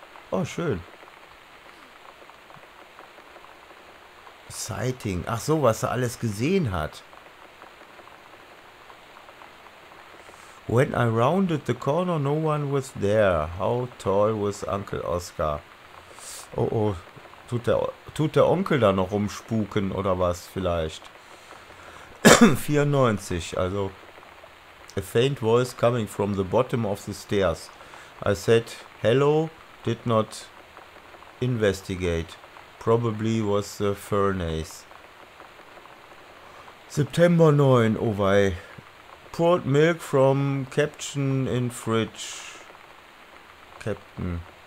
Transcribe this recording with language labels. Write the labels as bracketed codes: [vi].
[de] Oh, schön. Sighting. Ach so, was er alles gesehen hat. [en] When I rounded the corner, no one was there. How tall was Uncle Oscar? Oh, oh. [de] Tut der Onkel da noch rumspuken oder was vielleicht? 94, also... [en] A faint voice coming from the bottom of the stairs. I said, hello, did not investigate. Probably was the furnace. September 9, oh wei. Poured milk from Captain in fridge. Captain.